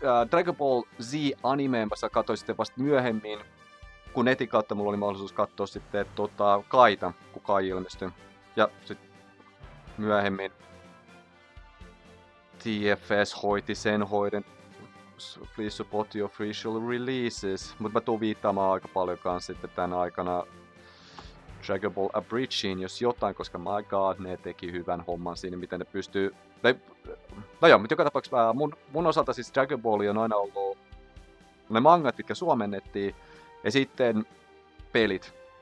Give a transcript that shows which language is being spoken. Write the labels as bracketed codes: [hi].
[fi] Dragon Ball Z animeen mä katsoin sitten vasta myöhemmin, kun netin kautta mulla oli mahdollisuus katsoa sitten Kaita, kun Kai ilmestyi. Ja sitten myöhemmin TFS hoiti sen hoiden. [en] Please support your official releases. [fi] Mutta mä tuun viittaamaan aika paljon kanssa sitten tän aikana Dragon Ball Abridgeen, jos jotain, koska [en] my god, [fi] ne teki hyvän homman siinä, miten ne pystyy... No joo, mutta joka tapauksessa mun osalta siis Dragon Ball on aina ollut ne mangat, mitkä suomennettiin, ja sitten pelit.